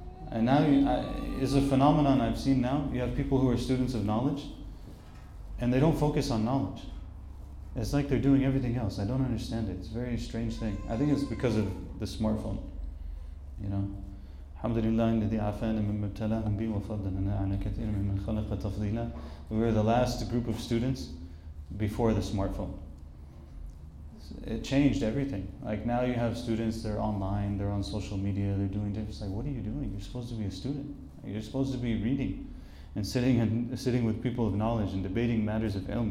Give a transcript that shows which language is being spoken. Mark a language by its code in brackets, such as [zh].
[en] And now, is a phenomenon I've seen now. You have people who are students of knowledge, and they don't focus on knowledge. It's like they're doing everything else. I don't understand it. It's a very strange thing. I think it's because of the smartphone, you know. [ar] Alhamdulillah, الذي عافانا من ابتلاهم به وفضلنا على كثير من خلق تفضيلا. [en] We were the last group of students before the smartphone. It changed everything. Like now you have students, they're online, they're on social media, they're doing different. It's like, what are you doing? You're supposed to be a student. You're supposed to be reading and sitting with people of knowledge and debating matters of ilm.